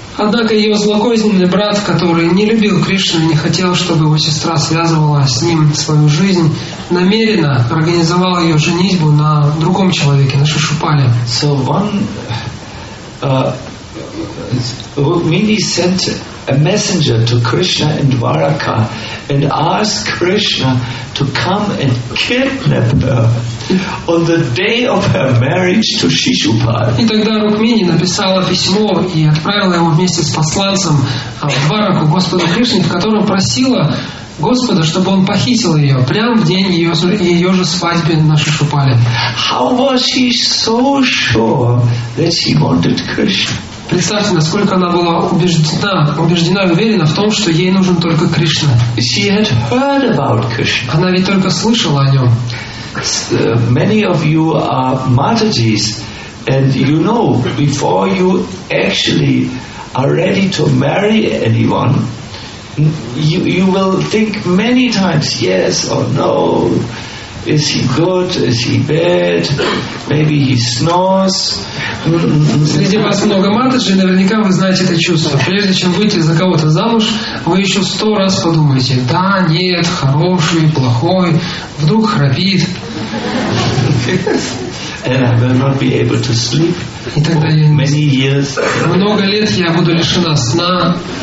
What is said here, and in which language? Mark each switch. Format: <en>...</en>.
<ru>Однако ее злокозненный брат, который не любил Кришну и не хотел, чтобы его сестра связывала с ним свою жизнь, намеренно организовал ее женитьбу на другом человеке, на Шишупале.</ru> <en>So one, Rukmini sent a messenger to Krishna in Dwaraka and asked Krishna to come and kidnap her on the day of her marriage to Shishupal.</en> <ru>И тогда Рукмини написала письмо и отправила его вместе с посланцем в Двараку Господу Кришне, в котором просила Господа, чтобы он похитил ее прямо в день ее же свадьбы на Шишупале.</ru> <en>How was she so sure that she wanted Krishna?</en> <ru>Представьте, насколько она была убеждена и уверена в том, что ей нужен только Кришна.</ru> <en>She had heard about Krishna.</en> <ru>Она ведь только слышала о нем.</ru> <en>Many of you are Matajis, and you know, before you actually are ready to marry anyone, you will think many times, yes or no, Is he good? Is he bad? Maybe he snores.</en> <ru>Среди вас много матушек, наверняка вы знаете это чувство. Прежде чем выйти за кого-то замуж, вы еще 100 раз подумаете: да, нет, хороший, плохой, вдруг храпит.</ru> <en>And I will not be able to sleep for many years.</en> <ru>Много лет я буду лишена сна.</ru>